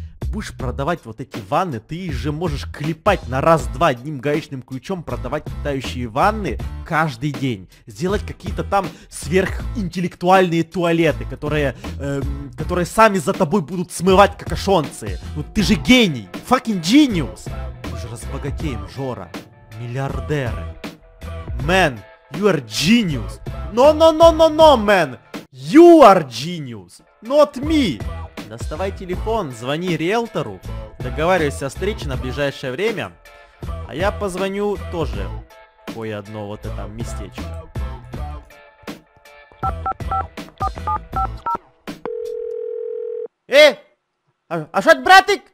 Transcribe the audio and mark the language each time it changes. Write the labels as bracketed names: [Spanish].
[Russian] Будешь продавать вот эти ванны, ты их же можешь клепать на раз-два одним гаечным ключом, продавать летающие ванны каждый день. Сделать какие-то там сверхинтеллектуальные туалеты, которые сами за тобой будут смывать кокошонцы. Ну ты же гений, [English] fucking genius. [Russian] Мы же разбогатеем, Жора, миллиардеры. [English] Man, you are genius. No, man, you are genius, not me. [Russian] Доставай телефон, звони риэлтору, договаривайся о встрече на ближайшее время, а я позвоню тоже кое-одно вот это местечко. Эй! Ашот, братик!